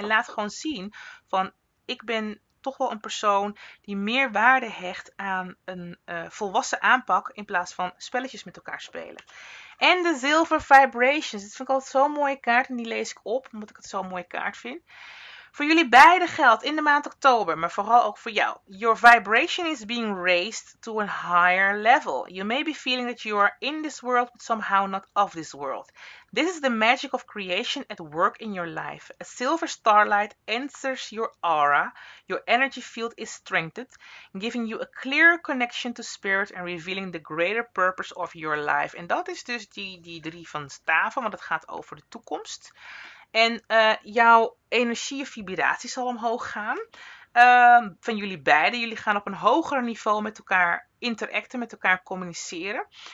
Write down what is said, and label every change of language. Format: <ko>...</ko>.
<nl>En laat gewoon zien van ik ben toch wel een persoon die meer waarde hecht aan een volwassen aanpak in plaats van spelletjes met elkaar spelen. En de Silver Vibrations. Dit vind ik altijd zo'n mooie kaart en die lees ik op omdat ik het zo'n mooie kaart vind. Voor jullie beide geldt in de maand oktober, maar vooral ook voor jou.</nl> <en>Your vibration is being raised to a higher level. You may be feeling that you are in this world, but somehow not of this world. This is the magic of creation at work in your life. A silver starlight enters your aura. Your energy field is strengthened, giving you a clearer connection to spirit and revealing the greater purpose of your life.</en> <nl>En dat is dus die drie van staven, want het gaat over de toekomst. En jouw energie en vibratie zal omhoog gaan. Van jullie beiden. Jullie gaan op een hoger niveau met elkaar interacten. Met elkaar communiceren.</nl>